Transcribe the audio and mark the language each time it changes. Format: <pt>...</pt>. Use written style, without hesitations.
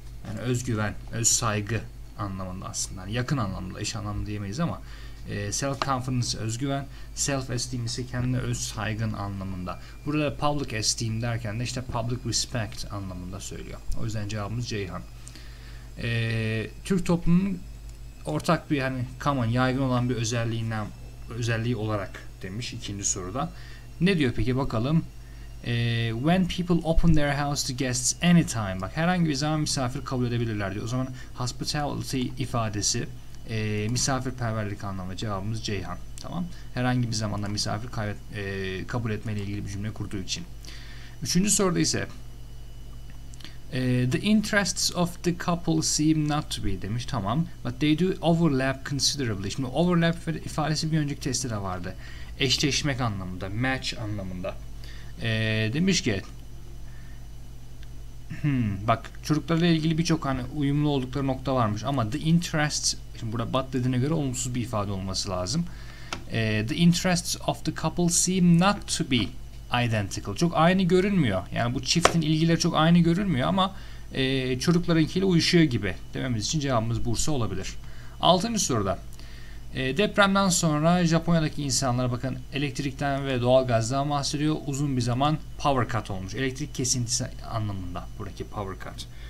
<tr>Yani özgüven, öz saygı anlamında aslında. Yani yakın anlamda, iş anlamında diyemeyiz ama self-confidence özgüven, self-esteem ise kendine öz saygın anlamında. Burada public esteem derken de işte public respect anlamında söylüyor. O yüzden cevabımız Ceyhan. Türk toplumunun ortak bir hani common, yaygın olan bir özelliğinden özelliği olarak demiş ikinci soruda. Ne diyor peki bakalım?</tr> <en>When people open their house to guests anytime.</en> <tr>Bak herhangi bir zaman misafir kabul edebilirler diyor. O zaman hospitality ifadesi misafirperverlik anlamı. Cevabımız Ceyhan. Tamam. Herhangi bir zamanda misafir kabul etmeyle ilgili bir cümle kurduğu için. Üçüncü soruda ise</tr> <en>the interests of the couple seem not to be</en> <tr>demiş. Tamam.</tr> <en>But they do overlap considerably.</en> <tr>Şimdi overlap ifadesi bir önceki testte de vardı. Eşleşmek anlamında, match anlamında. Demiş ki bak çocuklarla ilgili birçok hani uyumlu oldukları nokta varmış ama the interests, şimdi burada but dediğine göre olumsuz bir ifade olması lazım.</tr> <en>The interests of the couple seem not to be identical.</en> <tr>Çok aynı görünmüyor. Yani bu çiftin ilgileri çok aynı görünmüyor ama çocuklarınkiyle uyuşuyor gibi dememiz için cevabımız Bursa olabilir. Altıncı soruda depremden sonra Japonya'daki insanlara bakın elektrikten ve doğalgazdan bahsediyor. Uzun bir zaman power cut olmuş. Elektrik kesintisi anlamında buradaki power cut.</tr>